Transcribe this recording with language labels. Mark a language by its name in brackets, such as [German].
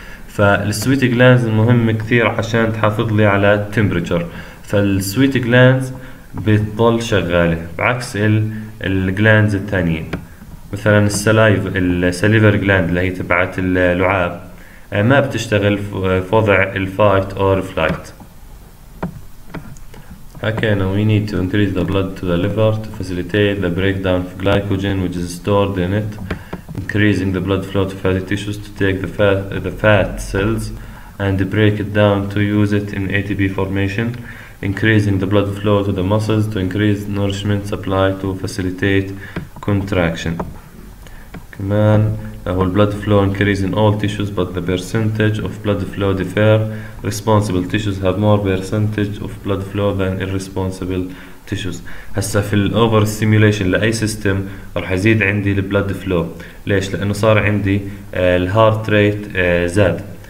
[Arabic] فالسويت جلاندز مهم كثير عشان تحافظ لي على التمبريتشر، فالسويت جلاندز بتضل شغاله بعكس الجلاندز الثانيه. مثلا السلايف السليفر جلاند اللي هي تبعت اللعاب ما بتشتغل في وضع الفايت اور فلايت. حكينا [English] we need to increase the blood to the liver to facilitate the breakdown of glycogen which is stored in it, increasing the blood flow to fatty tissues to take the fat cells and break it down to use it in ATP formation, increasing the blood flow to the muscles to increase nourishment supply to facilitate contraction. [Arabic] كمان هو [English] blood flow increase in all tissues but the percentage of blood flow differ. Responsible tissues have more percentage of blood flow than irresponsible tissues. [Arabic] هسا في الاوفر ستيميوليشن لاي سيستم راح يزيد عندي blood flow. ليش؟ لانه صار عندي الهارت ريت زاد.